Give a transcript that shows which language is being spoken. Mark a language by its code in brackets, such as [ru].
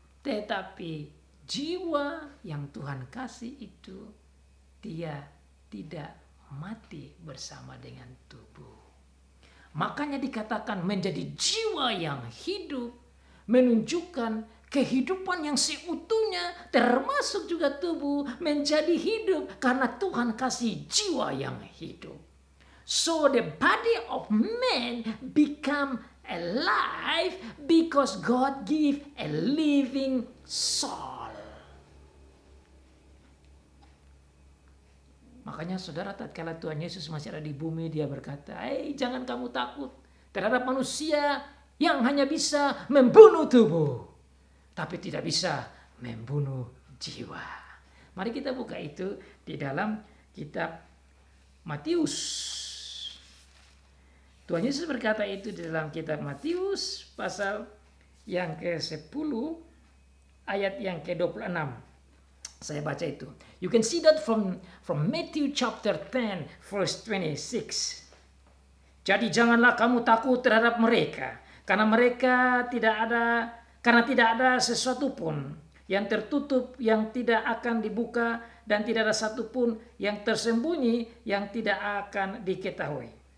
[id] Tetapi jiwa yang Tuhan kasih itu, dia tidak mati bersama dengan tubuh. Makanya dikatakan menjadi jiwa yang hidup menunjukkan kehidupan yang seutuhnya, termasuk juga tubuh, menjadi hidup karena Tuhan kasih jiwa yang hidup. [en] So the body of man become alive because God give a living soul. [id] Makanya saudara, tatkala Tuhan Yesus masih ada di bumi, dia berkata, hey, jangan kamu takut terhadap manusia yang hanya bisa membunuh tubuh, tapi tidak bisa membunuh jiwa. Mari kita buka itu di dalam kitab Matius. Tuhan Yesus berkata itu di dalam kitab Matius pasal yang ke-10 ayat yang ke-26. Saya baca itu. [en] You can see that from Matthew chapter 10 verse 26. [id] Jadi janganlah kamu takut terhadap mereka, karena mereka tidak ada, karena tidak ada sesuatu pun yang tertutup yang tidak akan dibuka, dan tidak ada satu pun yang tersembunyi yang tidak akan diketahui.